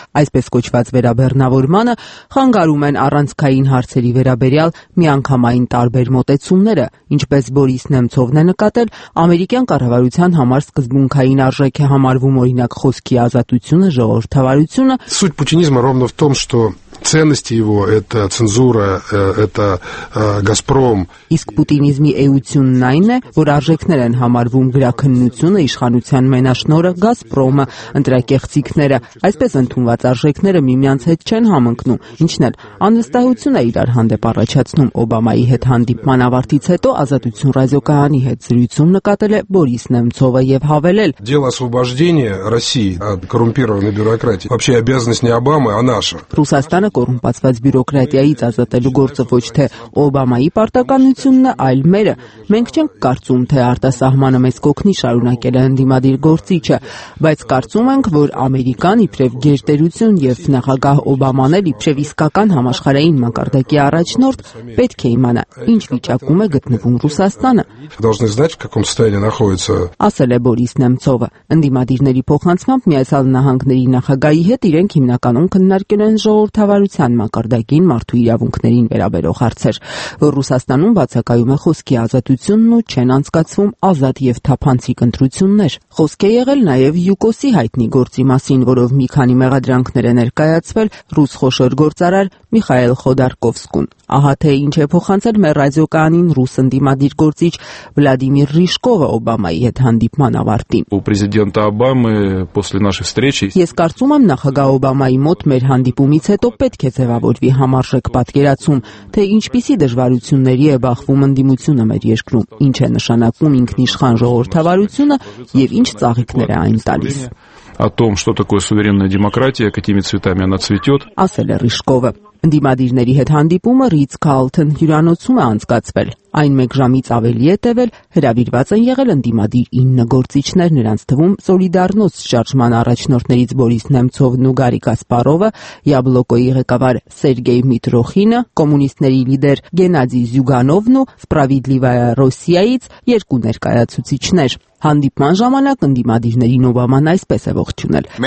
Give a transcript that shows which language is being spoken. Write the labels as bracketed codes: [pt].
[hy] այսպես կոչված վերաբեռնավորմանը խանգարում են առանցքային հարցերի վերաբերյալ միանգամայն տարբեր մոտեցումները։ Ինչպես Բորիս Նեմցովն է նկատել, ամերիկյան կառավարության համար սկզբունքային արժեք է համարվում, օրինակ, խոսքի ազատությունը, ժողովրդավարությունը։ [ru] Суть путинизма ровно в том, что ценности его – это цензура, это «Газпром». [hy] Իսկ պուտինիզմի էությունն այն է, որ արժեքներ են համարվում գրաքննությունը, իշխանության մենաշնորը, «Газпромը», ընտրակեղծիքները, այսպես ընդունված արժեքները միմյանց հետ չեն համընկնում, ինչն էլ անվստահություն է իրար հանդեպ առաջացնում։ Օբամայի հետ հանդիպման ավարտից հետո Ազատություն ռադիոկայանի հետ զրույցում նկատել է Բորիս Նեմցովը և հավելել. [ru] «Дело освобождения России от коррумпированной бюрократии. Вообще обязанность не Обамы, а наша». [hy] Ռուսաստանը կորումպացված բյուրոկրատիայից ազատելու գործը ոչ թե Օբամայի պարտականությունն է, այլ մերը։ Մենք չենք կարծում, թե արտասահմանը մեզ կօգնի շարունակել ընդդիմադիր գործիչը, բայց կարծում ենք, որ Ամերիկան իբրև գերտերություն և նախագահ Օբաման էլ իբրև իսկական համաշխարհային մակարդակի առաջնորդ պետք է իմանա, ինչ վիճակում է գտնվում Ռուսաստանը։ Ասել է Բորիս Նեմցովը։ Ընդդիմադիրների փոխանցմամբ Միացյալ Նահանգների նախագահի հետ իրենք հիմնականում քննարկելու են ժողովրդավարության մակարդակին, մարդու իրավունքներին վերաբերող հարցեր, որ Ռուսաստանում բացակայում է խոսքի ազատությունն ու չեն անցկացվում ազատ և թափանցիկ ընտրություններ։ Խոսք է եղել նաև Յուկոսի հայտնի գործի մասին, որով մի քանի մեղադրանքներ է ներկայացվել ռուս խոշոր գործարար Միխայել Խոդարկովսկուն։ Ահա թե ինչ է փոխանցել մեր ռադիոկանին ռուս ընդդիմադիր գործիչ Վլադիմիր Ռիշկովը Օբամայի հետ հանդիպման ավարտին։ [ru] У президента Обамы после нашей встречи [hy] Ես կարծում եմ, նախագահ Օբամայի մոտ մեր հանդիպումից հետո պետք է ձևավորվի համարժեք պատկերացում, թե ինչպիսի դժվարությունների է բախվում ընդդիմությունը մեր երկրում, ինչ է նշանակում ինքնիշխան ժողովրդավարությունը և ինչ ծաղիկներ է այն տալիս։ [ru] О том, что такое суверенная демократия, какими цветами она цветёт, [hy] ասել է Ռիշկովը։ Ընդդիմադիրների հետ հանդիպումը Ռից Քալթն հյուրանոցում է անցկացվել։ Այն մեկ ժամից ավելի է տևել, հրավիրված են եղել ընդդիմադիր 9 գործիչներ, նրանց թվում Սոլիդարնոս շարժման առաջնորդներից Բորիս Նեմցովն ու Գարի Կասպարովը, Յաբլոկոյի ղեկավար Սերգեյ Միտրոխինը, կոմունիստների լիդեր Գենադի Զյուգանովն ու Սպրավիդլիվայա Ռոսիայից երկու ներկայացուցիչներ։ Հանդիպման ժամանակ ընդդիմադիրներին Օբաման այսպես է ողջունել.